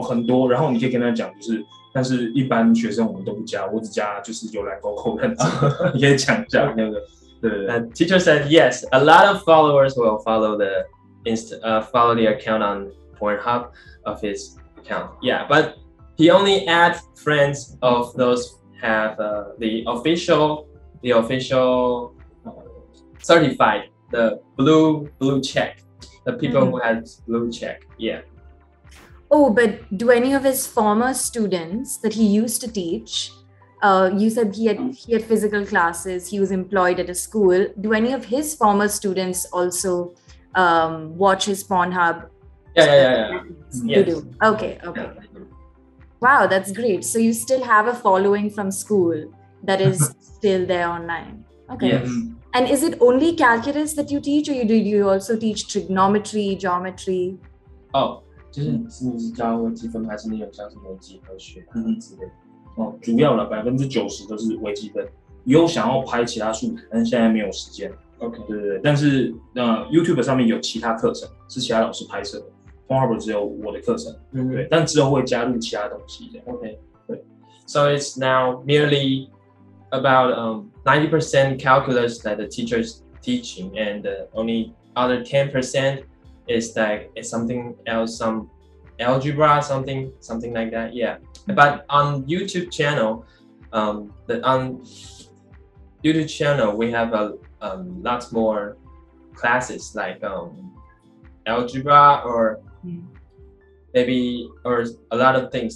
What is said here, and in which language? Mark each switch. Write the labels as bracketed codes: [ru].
[zh] 很多，然后你可以跟他讲，就是但是一般学生我们都不加，我只加就是有来勾勾的，你可以讲一下那个。 [en] And teacher said yes, a lot of followers will follow the follow the account on Pornhub of his account. Yeah, but he only adds friends of those have the official certified, the blue check, the people who have blue check. Yeah. Oh, but do any of his former students that he used to teach? You said he had physical classes. He was employed at a school. Do any of his former students also watch his Pornhub? Yeah. You do. Okay. Yeah, wow, that's great. So you still have a following from school that is still there online. Okay. Yes. And is it only calculus that you teach, or do you also teach trigonometry, geometry? [zh] Oh, 就是你是教微积分，还是你有教什么几何学之类的？哦、主要的 90% 都是微积分，有想要拍其他数，但现在没有时间。 [en] OK， [zh] 对对对。但是、YouTube 上面有其他课程是其他老师拍摄的 ，Pornhub 只有我的课程。嗯、对，但之后会加入其他东西。 OK， 对。 [en] So it's now merely about 90% calculus that the teacher's teaching, and only other 10% is like it's something else, some algebra, something like that. Yeah. But on YouTube channel, we have a lot more classes like algebra or maybe or a lot of things.